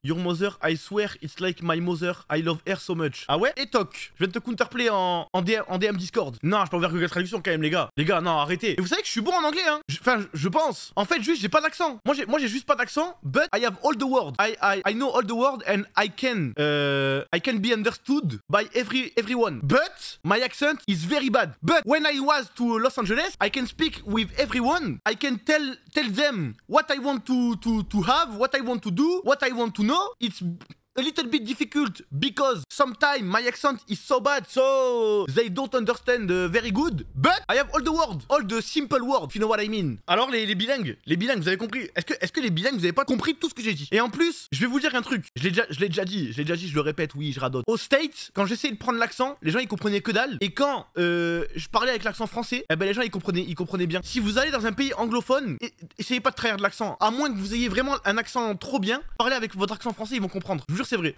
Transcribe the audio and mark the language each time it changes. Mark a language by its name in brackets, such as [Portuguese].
[English] Your mother, I swear, it's like my mother, I love her so much. [French] Ah ouais? Et toc, je viens de te counterplay en DM Discord. Non, je peux ouvrir Google Traduction quand même, les gars. Les gars, non, arrêtez. Et vous savez que je suis bon en anglais, hein? Enfin, je pense. En fait, juste, j'ai pas d'accent. Moi, j'ai juste pas d'accent, [English] but I have all the words. I know all the words and I can be understood by everyone. But my accent is very bad. But when I was to Los Angeles, I can speak with everyone. I can tell them what I want to have, what I want to do, what I want to know. It's a little bit difficult because sometimes my accent is so bad, so they don't understand very good. But I have all the words, all the simple words, if you know what I mean. [French] Alors les bilingues, vous avez compris? Est-ce que les bilingues, vous avez pas compris tout ce que j'ai dit? Et en plus, je vais vous dire un truc. Je l'ai déjà dit, je le répète, oui, je radote. Au States, quand j'essayais de prendre l'accent, les gens ils comprenaient que dalle. Et quand je parlais avec l'accent français, eh ben les gens ils comprenaient bien. Si vous allez dans un pays anglophone, essayez pas de trahir de l'accent. À moins que vous ayez vraiment un accent trop bien, parlez avec votre accent français, ils vont comprendre. Je vous jure, c'est vrai.